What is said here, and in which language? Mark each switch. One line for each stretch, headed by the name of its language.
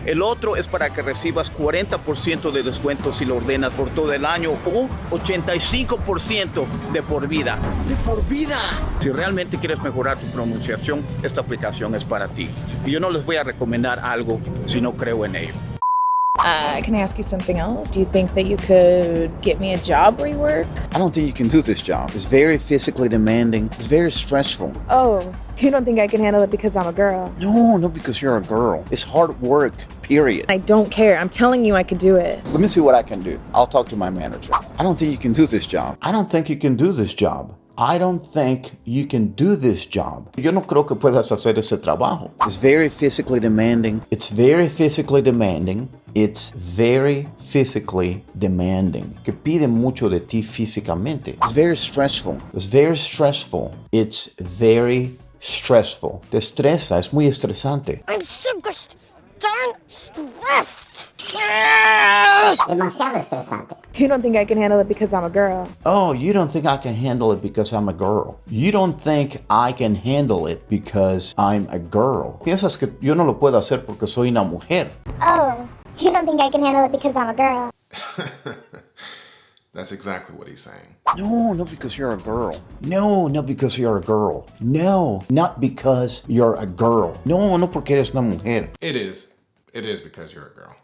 Spanish: El otro es para que recibas 40% de descuento si lo ordenas por todo el año o 85% de por vida. ¡De por vida! Si realmente quieres mejorar tu pronunciación, esta aplicación es para ti. Y yo no les voy a recomendar algo si no creo en ello.
English: Can I ask you something else? Do you think that you could get me a job where you work? I don't think you can do this job. It's very physically demanding. It's very stressful. Oh, you don't think I can handle it because I'm a girl? No, not because you're a girl. It's hard work, period. I don't care. I'm telling you I could do it. Let me see what I can do. I'll talk to my manager. I don't think you can do this job. I don't think you can do this job. I don't think you can do this job.
Spanish: Yo no creo que puedas hacer ese trabajo.
English: It's very physically demanding. It's very physically demanding. It's very physically demanding.
Spanish: Que pide mucho de ti físicamente.
English: It's very stressful. It's very stressful. It's very stressful.
Spanish: Te estresa. Es muy estresante.
English: I'm super darn stressed.
Spanish: Demasiado estresante.
English: You don't think I can handle it because I'm a girl? Oh, you don't think I can handle it because I'm a girl. You don't think I can handle it because I'm a girl.
Spanish: Piensas que yo no lo puedo hacer porque soy una mujer. Oh.
English: You don't think I can handle it because I'm a girl. That's exactly what he's saying. No, not because you're a girl. No, not because you're a girl. No, not because you're a girl.
Spanish: No, no porque eres una mujer.
English: It is. It is because you're a girl.